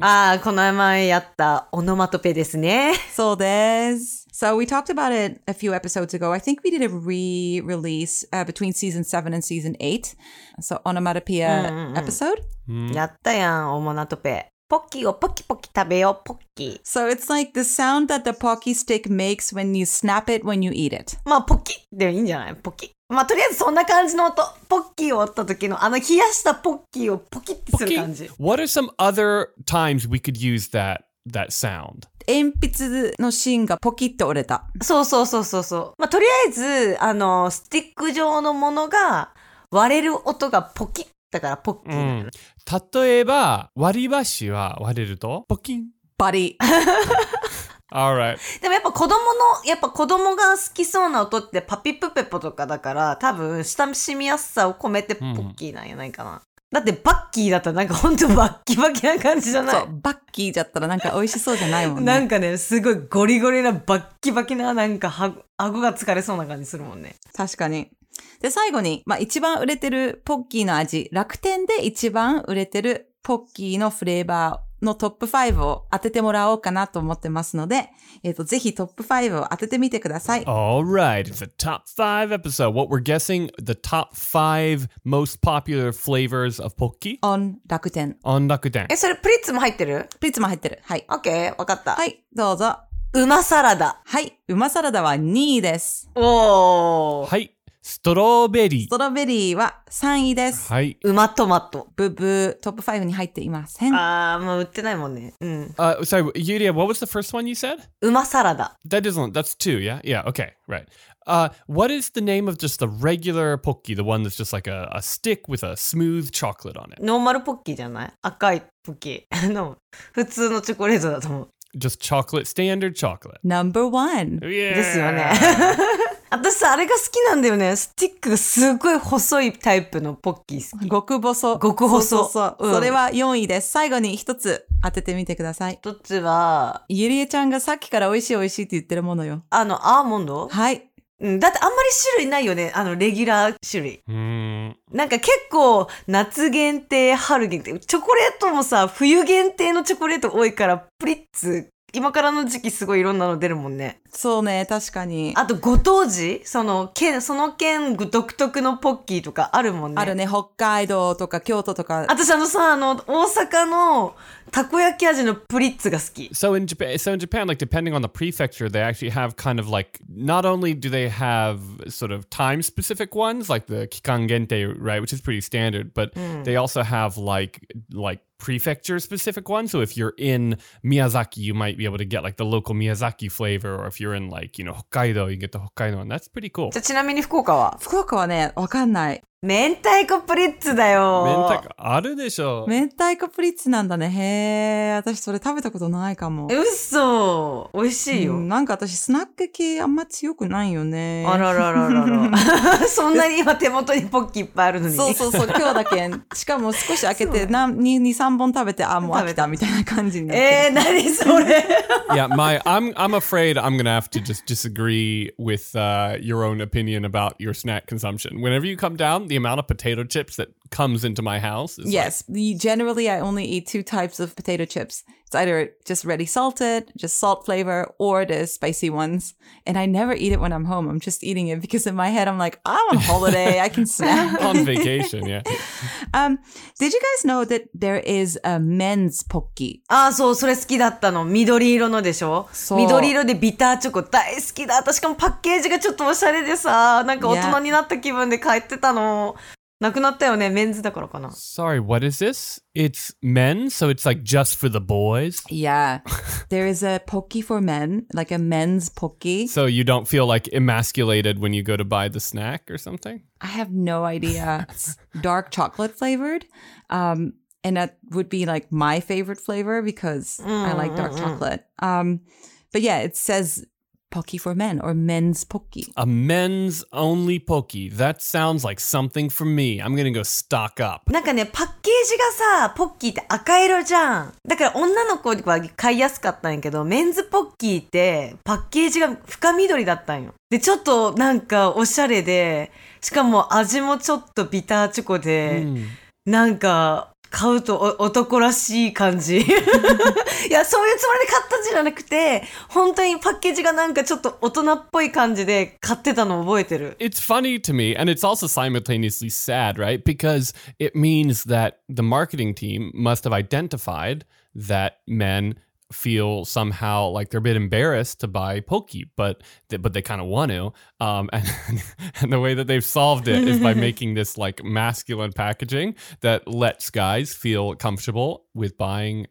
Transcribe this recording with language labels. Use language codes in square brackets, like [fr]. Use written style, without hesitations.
[ja] Ah, この前やったオノマトペですね。そうです。 [en] So we talked about it a few episodes ago. I think we did a re-release between season 7 and season 8. So onomatopoeia episode. [ja] やったやん、オモナトペ。ポッキーをポキポキ食べよう、ポッキー。 [en] So it's like the sound that the pocky stick makes when you snap it when you eat it. [ja] まあ、ポキでいいんじゃない、ポキ。まあ、とりあえずそんな感じの音。ポッキーを折った時のあの冷やしたポッキーをポキってする感じ。 [en] What are some other times we could use that sound? [ja] 鉛筆の芯がポキって折れた。そうそうそうそうそう。まあ、とりあえず、あの、スティック状のものが割れる音がポキだからポッキー。例えば、割り箸は割れるとポキン。バリ。 [en] All right. [ja] でもやっぱ子供の、やっぱ子供が好きそうな音ってパピプペポとかだから、多分親しみやすさを込めてポッキーなんやないかな。だってバッキーだったらなんかほんとバッキバキな感じじゃない？そう、バッキーだったらなんか美味しそうじゃないもんね。なんかね、すごいゴリゴリなバッキバキな、なんか顎が疲れそうな感じするもんね。確かに。で、最後に、まあ一番売れてるポッキーの味、楽天で一番売れてるポッキーのフレーバーのトップ5を当ててもらおうかなと思ってますので、ぜひトップ5を当ててみてください。 [en] All right, it's a top 5 episode. What we're guessing, the top 5 most popular flavors of Pocky? On 楽天。 On 楽天。 [ja] え、それプリッツも入ってる？プリッツも入ってる。はい。 OK、わかった。はい、どうぞ。うまサラダ。はい、うまサラダは2位です。おお。はい、ストローベリー。ストローベリーは3位です。はい。うまトマト。ブブー、トップ5に入っていません。あー、もう売ってないもんね。うん。 [en] Sorry, Yuria, what was the first one you said? [ja] うまサラダ。 [en] That doesn't, that's two, yeah? Yeah, okay, right. What is the name of just the regular pocky, the one that's just like a stick with a smooth chocolate on it? Normal pocky, [ja] じゃない?赤いポッキー。 No, 普通のチョコレートだと思う。 [en] Just chocolate, standard chocolate. Number one. Yeah. [ja] ですよね。私さ、あれが好きなんだよね。スティックがすごい細いタイプのポッキー好き。極細。極細。そうそうそう。それは4位です。最後に一つ当ててみてください。一つは、ゆりえちゃんがさっきから美味しい美味しいって言ってるものよ。あの、アーモンド? はい。うん、だってあんまり種類ないよね、あのレギュラー種類。うーん、なんか結構夏限定、春限定、チョコレートもさ冬限定のチョコレート多いから、プリッツ今からの時期すごいいろんなの出るもんね。そうね、確かに。あとご当地、その県、その県独特のポッキーとかあるもんね。あるね、北海道とか京都とか。私あのさ、あの大阪のたこ焼き味のプリッツが好き。 [en] So in Japan, like depending on the prefecture, they actually have kind of like, not only do they have sort of time specific ones like the 期間限定, right, which is pretty standard, but、うん、they also have like prefecture specific ones. So if you're in Miyazaki, you might be able to get like the local Miyazaki flavor, or if you're in like, you know, Hokkaido, you get the Hokkaido one. That's pretty cool. [ja] じゃあちなみに福岡は? 福岡はね、わかんない。明太子プリッツだよ。明太子あるでしょ。明太子プリッツなんだね。へえ、私それ食べたことないかも。うそ、美味しいよ、うん。なんか私スナック系あんま強くないよね。あららららら。そんなに今手元にポッキーいっぱいあるのに。そうそうそう。今日だけ。しかも少し開けて2、3本食べて、あ、もう飽きたみたいな感じになる。何それ。 [en] Yeah, my, I'm afraid I'm gonna have to just disagree with、your own opinion about your snack consumption. Whenever you come down. The amount of potato chips that comes into my house is yes. Like, generally, I only eat two types of potato chips. It's either just ready salted, just salt flavor, or the spicy ones. And I never eat it when I'm home. I'm just eating it because in my head, I'm like, I'm on holiday. I can snack. On vacation, yeah. Did you guys know that there is a men's pocky? [ja] Ah, so, それ好きだったの。緑色のでしょ。そう。緑色でビターチョコ大好きだ。しかもパッケージがちょっとおしゃれでさ、なんか大人になった気分で買ってたの。なくなったよね、メンズだからかな。 [en] Sorry, what is this? It's men, so it's like just for the boys? Yeah. There is a pocky for men, like a men's pocky. So you don't feel like emasculated when you go to buy the snack or something? I have no idea. It's dark chocolate flavored. And that would be like my favorite flavor because I like dark chocolate. But yeah, it says... Pocky for men or men's pocky. A men's only pocky. That sounds like something for me. I'm gonna go stock up. [ja] なんかね、パッケージがさ、ポッキーって赤色じゃん。だから女の子は買いやすかったんやけど、メンズポッキーってパッケージが深緑だったんよ。で、ちょっとなんかおしゃれで、しかも味もちょっとビターチョコで、なんか、買うと男らしい感じ。いや、そういうつもりで買ったんじゃなくて、本当にパッケージがなんかちょっと大人っぽい感じで買ってたの覚えてる。 [en] It's funny to me, and it's also simultaneously sad, right? Because it means that the marketing team must have identified that men feel somehow like they're a bit embarrassed to buy pocky, but they kind of want to. And the way that they've solved it is by making this like masculine packaging that lets guys feel comfortable with buying.